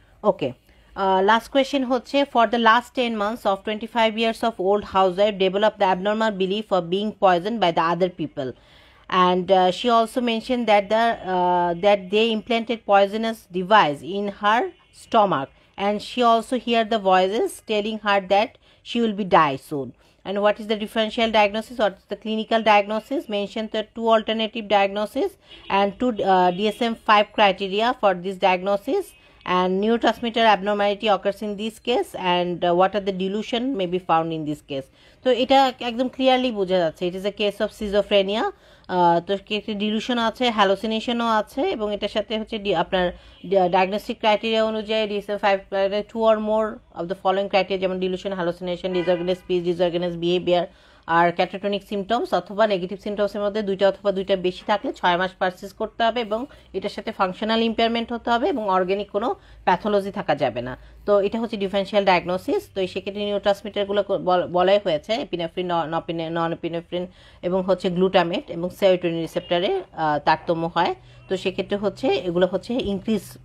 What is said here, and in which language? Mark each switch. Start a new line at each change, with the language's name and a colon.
English: Okay, last question হচ্ছে, for the last 10 months of 25 years of old house wife develop the abnormal belief of being poison by the other people and she also mention that they implanted poisonous device in her stomach and she also hear the voices telling her that she will be die soon And what is the differential diagnosis? What is the clinical diagnosis? Mention the two alternative diagnoses and two DSM-5 criteria for this diagnosis. And neurotransmitter abnormality occurs in this case. And what are the delusion may be found in this case? So, it is clearly
Bangla: bujha jacche.
English: It is a case of schizophrenia. So, it is a delusion,
Bangla: aache,
English: hallucination. And it is a diagnostic criteria. DSM-5, two or more of the following criteria.
Bangla: Jaman,
English: delusion, hallucination, disorganized speech, disorganized behavior.
Bangla: আর catatonic symptoms অথবা negative সিমটমসের মধ্যে দুইটা অথবা দুইটা বেশি থাকলে 6 মাস persist করতে হবে এবং এটার সাথে ফাংশনাল ইম্পেয়ারমেন্ট হতে হবে এবং অর্গ্যানিক কোনো প্যাথোলজি থাকা যাবে না তো এটা হচ্ছে ডিফারেনশিয়াল ডায়াগনোসিস তো সেক্ষেত্রে নিউরোট্রান্সমিটারগুলো বলাই হয়েছে এপিনেফ্রিন নন এপিনেফ্রিন এবং হচ্ছে গ্লুটামেট এবং সেরোটোনিন রিসেপ্টারে তারতম্য হয় তো সেক্ষেত্রে হচ্ছে এগুলো হচ্ছে ইনক্রিজ